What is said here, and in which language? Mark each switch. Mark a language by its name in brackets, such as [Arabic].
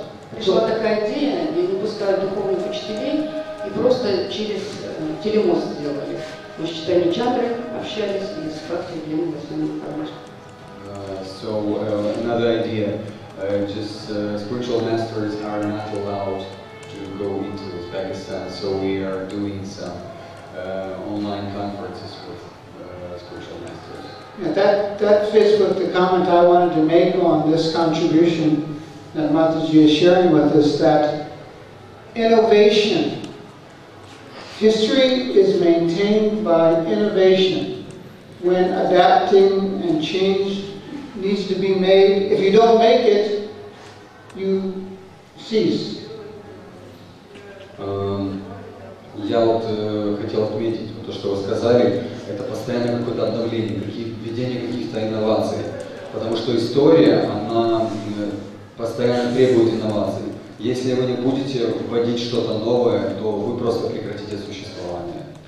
[Russian] пришла такая идея, не выпускают духовных учителей, и просто через телемост сделали. Мы с Чайтанья Чандрой общались и с фактами длинными восьмыми хорошими. [English] So another idea. Just spiritual masters are not allowed to go into Uzbekistan, so we are doing some online conferences with spiritual masters. Yeah, that fits with the comment I wanted to make on this contribution that Mataji is sharing with us, that innovation, history is maintained by innovation. When adapting and change needs to be made, if you don't make it, you cease. [Russian] Я вот хотел отметить то, что вы сказали, это постоянное какое-то обновление, введение каких-то инноваций, потому что история, она постоянно требует инноваций. Если вы не будете вводить что-то новое, то вы просто прекратите существование.